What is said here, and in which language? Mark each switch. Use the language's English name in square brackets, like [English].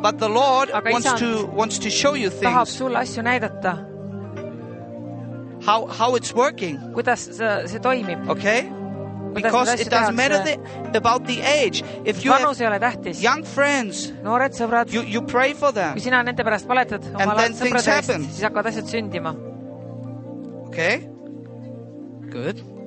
[English] But the Lord wants to show you things. [Estonian] Tahab sulle asju näidata. [English] How it's working. [Estonian] Kuidas see toimib. [English] Okay? Because it doesn't matter about the age. If you have young friends, you pray for them, and then things happen. Okay? Good.